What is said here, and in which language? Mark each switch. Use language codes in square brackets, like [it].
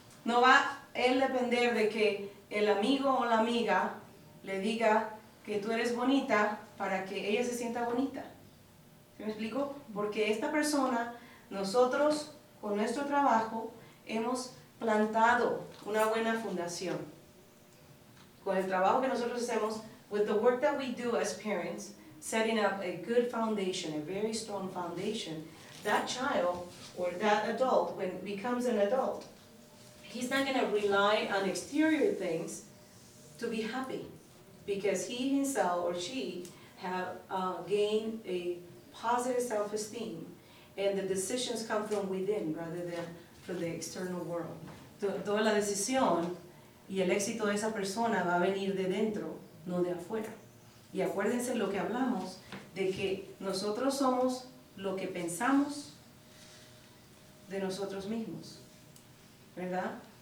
[es] No va él depender de que el amigo o la amiga le diga que tú eres bonita para que ella se sienta bonita. ¿Me explico? Porque esta persona, nosotros con nuestro trabajo hemos plantado una buena fundación. Con el trabajo que nosotros hacemos, [en] with the work that we do as parents, setting up a good foundation, a very strong foundation, that child or that adult, when becomes an adult, he's not going to rely on exterior things to be happy because he himself or she have gained a positive self-esteem, and the decisions come from within rather than from the external world. [es] Toda la decisión y el éxito de esa persona va a venir de dentro, no de afuera. Y acuérdense lo que hablamos, de que nosotros somos lo que pensamos de nosotros mismos, ¿verdad?